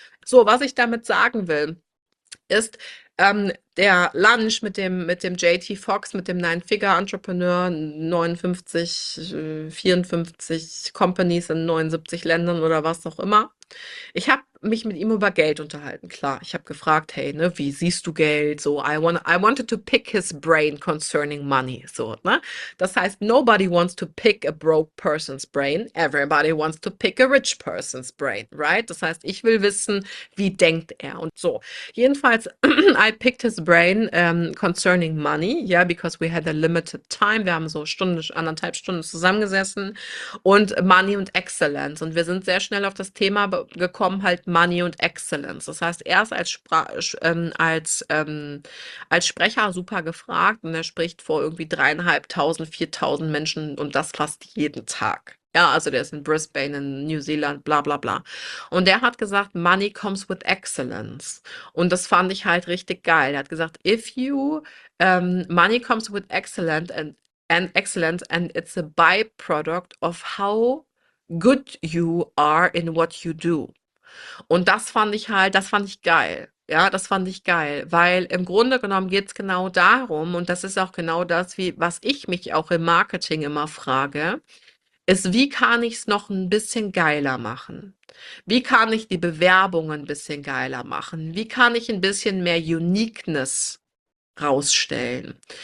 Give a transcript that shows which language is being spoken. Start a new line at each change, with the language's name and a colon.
German: So, was ich damit sagen will, ist, der Lunch mit dem JT Fox, mit dem Nine-Figure-Entrepreneur, 59, 54 Companies in 79 Ländern oder was auch immer. Ich habe mich mit ihm über Geld unterhalten, klar. Ich habe gefragt, hey, ne, wie siehst du Geld?
English: So, I wanted to pick his brain concerning money. So, ne?
German: Das heißt,
English: nobody wants to pick a broke person's brain. Everybody wants to pick a rich person's brain, right?
German: Das heißt, ich will wissen, wie denkt er? Und so. Jedenfalls,
English: I picked his brain concerning money. Ja, yeah, because we had a limited time.
German: Wir haben so Stunde, anderthalb Stunden zusammengesessen. Und Money und Excellence. Und wir sind sehr schnell auf das Thema gekommen, halt Money und Excellence. Das heißt, er ist als Sprecher super gefragt und er spricht vor irgendwie 3.500, 4.000 Menschen und das fast jeden Tag. Ja, also der ist in Brisbane, in New Zealand, bla bla bla. Und der hat gesagt,
English: Money comes with Excellence.
German: Und das fand ich halt richtig geil. Er hat gesagt,
English: if you, Money comes with Excellence and it's a byproduct of how good you are in what you do.
German: Und das fand ich halt, das fand ich geil. Ja, das fand ich geil, weil im Grunde genommen geht es genau darum, und das ist auch genau das, wie was ich mich auch im Marketing immer frage, ist, wie kann ich es noch ein bisschen geiler machen? Wie kann ich die Bewerbung ein bisschen geiler machen? Wie kann ich ein bisschen mehr Uniqueness rausstellen?